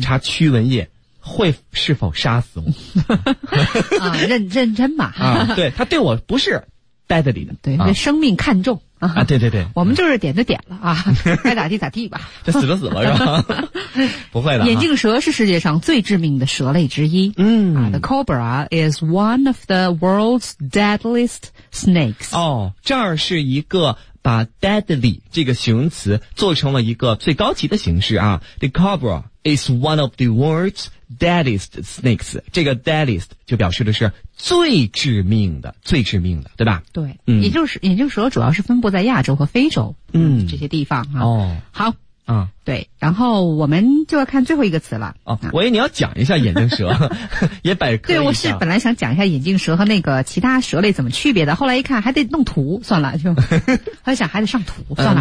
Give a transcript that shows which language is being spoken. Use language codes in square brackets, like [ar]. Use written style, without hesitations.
[zh] 查驱蚊液会是否杀死我。嗯、认真吧。啊、嗯、对，他对我不是 deadly 的。对、嗯、生命看重。啊对对对。我们就是点就点了啊，该咋地咋地吧。就死了死了是吧不会的。眼镜蛇是世界上最致命的蛇类之一。嗯、 [en] The cobra is one of the world's deadliest snakes. [zh] 哦，这儿是一个把 deadly 这个形容词做成了一个最高级的形式啊。 [en] The cobra is one of the world's deadliest snakes. [zh] 这个 deadliest 就表示的是最致命的，最致命的，对吧？对，嗯，也就是眼镜蛇主要是分布在亚洲和非洲，嗯，这些地方哈、啊。哦，好，对，然后我们就要看最后一个词了。我以为你要讲一下眼镜蛇，也百科一下。对，我是本来想讲一下眼镜蛇和那个其他蛇类怎么区别的，后来一看还得弄图，算了，就我想还得上图，算了，